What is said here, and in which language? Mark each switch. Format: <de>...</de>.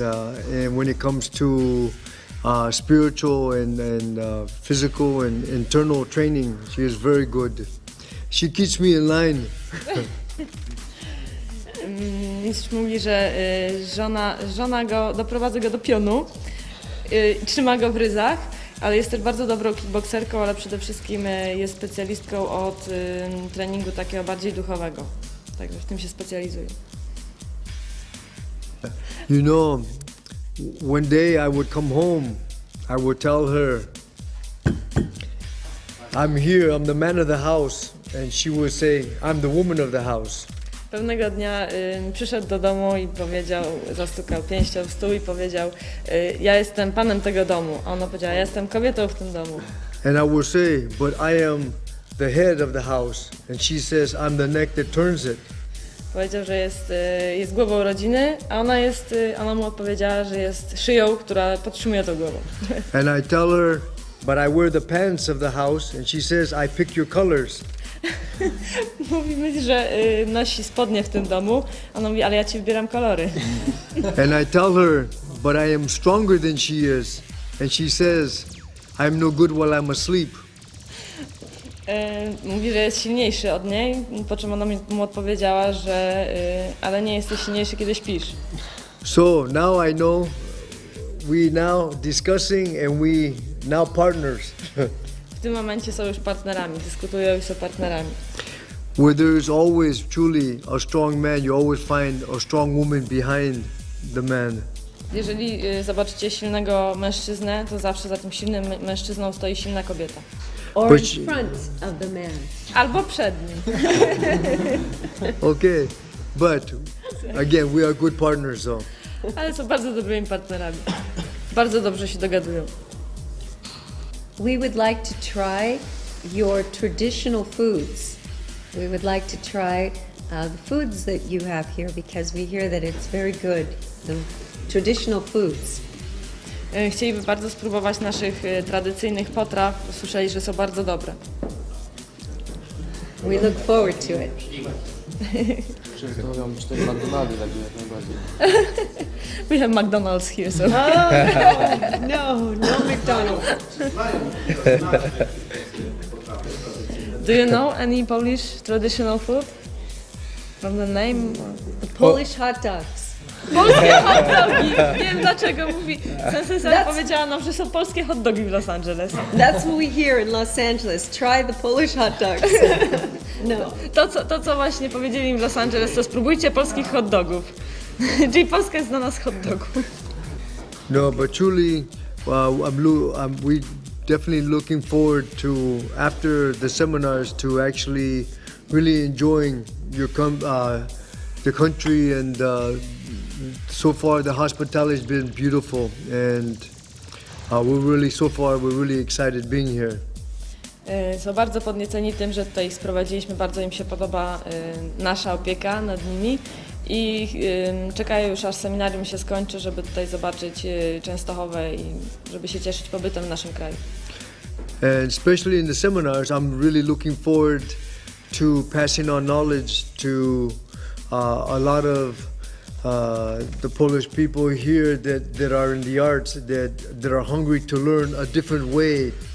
<en>And when it comes to spiritual and physical and internal training, she is very good. She keeps me in line.</en> <pl>Mistrz mówi, że żona go doprowadza do pionu, trzyma go w ryzach. Ale jest też bardzo dobrą kickboxerką, ale przede wszystkim jest specjalistką od treningu takiego bardziej duchowego. Także w tym się specjalizuje.</pl> <en>You know, one day I would come home, I would tell her, I'm here, I'm the man of the house, and she would say, I'm the woman of the house.</en> <pl>Pewnego dnia przyszedł do domu i powiedział, zastukał pięścią w stół i powiedział, ja jestem panem tego domu. A ona powiedziała, ja jestem kobietą w tym domu.</pl> <en>And I will say, but I am the head of the house. And she says, I'm the neck that turns it.</en> <pl>Powiedział, że jest głową rodziny, a ona mu odpowiedziała, że jest szyją, która podtrzymuje tą głową.</pl> <en>And I tell her, but I wear the pants of the house. And she says, I pick your colors.</en> <pl>Mówimy, że nosi spodnie w tym domu. Ona mówi, ale ja ci wybieram kolory.</pl> <en>And I tell her, but I am stronger than she is. And she says, I'm no good while I'm asleep.</en> <pl>Mówi, że jest silniejszy od niej, po czym ona mu odpowiedziała, że ale nie jesteś silniejszy, kiedy śpisz.</pl> <en>So now I know we now discussing and we now partners.</en> <pl>W tym momencie są już partnerami, dyskutują i są partnerami.</pl> <en>Where there is always truly a strong man, you always find a strong woman behind the man.</en> <pl>Jeżeli zobaczycie silnego mężczyznę, to zawsze za tym silnym mężczyzną stoi silna kobieta.</pl> <en>Or but in front of the man.</en> <pl>Albo przed nim.</pl> <en>Okay, but again, we are good partners though.</en> <pl>Ale są bardzo dobrymi partnerami. Bardzo dobrze się dogadują.</pl> <en>We would like to try your traditional foods. We would like to try the foods that you have here because we hear that it's very good, the traditional foods.</en> <pl>chcieliby bardzo spróbować naszych tradycyjnych potraw. Słyszeli, że są bardzo dobre.</pl> <en>We look forward to it. We have McDonald's here, so. Oh, no, no McDonald's. Do you know any Polish traditional food? From the name, the Polish hot dogs.</en> <pl>Polskie hot dogi. Wiem dlaczego mówi. Sensei powiedziała nam, że są polskie hot dogi w Los Angeles.</pl> <en>That's what we hear in Los Angeles. Try the Polish hot dogs. No.</en> <pl>To co właśnie powiedzieli im w Los Angeles, to spróbujcie polskich hot dogów. Czyli Polska jest dla nas hot dogów.</pl> <en>No, but truly, we definitely looking forward to after the seminars to actually really enjoying your the country and so far the hospitality has been beautiful and we're really excited being here.</en> <pl>Są bardzo podnieceni tym, że tutaj ich sprowadziliśmy, bardzo im się podoba nasza opieka nad nimi i czekają już aż seminarium się skończy, żeby tutaj zobaczyć Częstochowę i żeby się cieszyć pobytem w naszym kraju.</pl> <en>And especially in the seminars, I'm really looking forward to passing on knowledge to a lot of the Polish people here that are in the arts, that are hungry to learn a different way.</en>